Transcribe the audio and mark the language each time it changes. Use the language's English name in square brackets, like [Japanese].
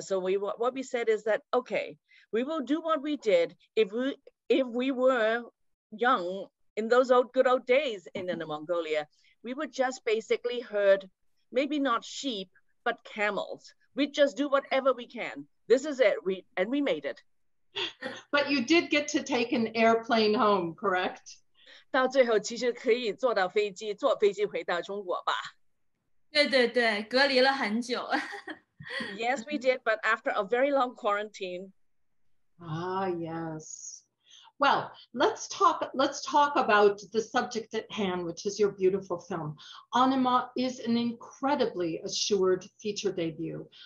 [English] So what we said is that, okay, we will do what we did if we were young in those old good old days in Inner Mongolia. We would just basically herd, maybe not sheep, but camels. We'd just do whatever we can. This is it, we made it. But you did get to take an airplane home, correct? [Chinese] 到最后其实可以坐到飞机回到中国吧。对对对，隔离了很久。 [English] Yes, we did, but after a very long quarantine. Ah, yes. Well, let's talk about the subject at hand, which is your beautiful film. Anima is an incredibly assured feature debut.